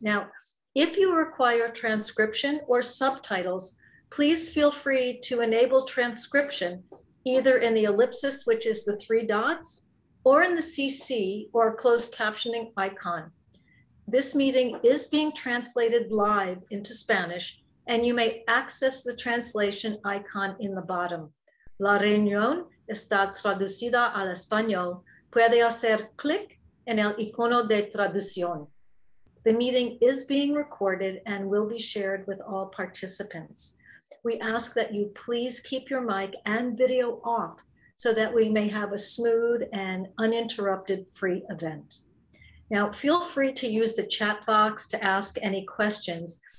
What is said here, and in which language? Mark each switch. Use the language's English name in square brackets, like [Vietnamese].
[English] Now, if you require transcription or subtitles, please feel free to enable transcription either in the ellipsis, which is the three dots, or in the CC or closed captioning icon. This meeting is being translated live into Spanish, and you may access the translation icon in the bottom. [Spanish] La reunión está traducida al español. Puede hacer clic en el icono de traducción. [English] The meeting is being recorded and will be shared with all participants. We ask that you please keep your mic and video off so that we may have a smooth and uninterrupted free event. Now, feel free to use the chat box to ask any questions.